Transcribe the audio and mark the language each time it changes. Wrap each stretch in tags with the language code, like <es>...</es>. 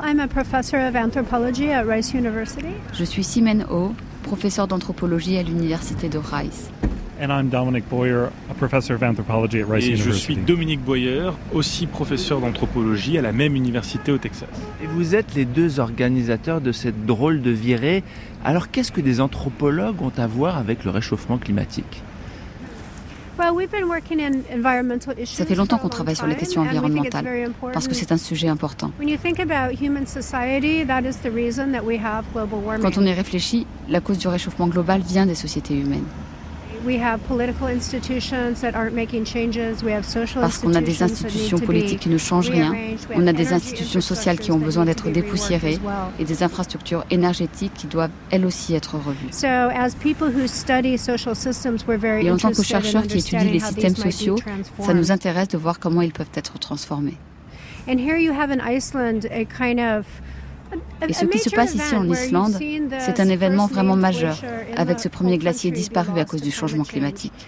<en>I'm a professor of anthropology at Rice University.</en> <fr>Je suis Simone Ho, professeur d'anthropologie à l'université de Rice.</fr> <en>And I'm Dominic Boyer, a professor of anthropology at Rice University.</en> <fr>Et je suis Dominic Boyer, aussi professeur d'anthropologie à la même université au Texas. Et vous êtes les deux organisateurs de cette drôle de virée. Alors qu'est-ce que des anthropologues ont à voir avec le réchauffement climatique?</fr> <en>Well, we've been working in environmental issues.</en> <fr>Ça fait longtemps qu'on travaille sur les questions environnementales parce que c'est un sujet important.</fr> <en>When you think about human society, that is the reason that we have global warming.</en> <fr>Quand on y réfléchit, la cause du réchauffement global vient des sociétés humaines.</fr> <en>We have political institutions that aren't making changes. We have social institutions.</en> <fr>Parce qu'on a des institutions politiques qui ne changent rien. On a des institutions sociales qui ont besoin d'être dépoussiérées et des infrastructures énergétiques qui doivent elles aussi être revues.</fr> <en>So, as people who study social systems, we're very interested.</en> <fr>Et en tant que chercheurs qui étudient les systèmes sociaux, ça nous intéresse de voir comment ils peuvent être transformés.</fr> <en>And here you have in Iceland a kind of.</en> <fr>Et ce qui se passe ici en Islande, c'est un événement vraiment majeur, avec ce premier glacier disparu à cause du changement climatique.</fr>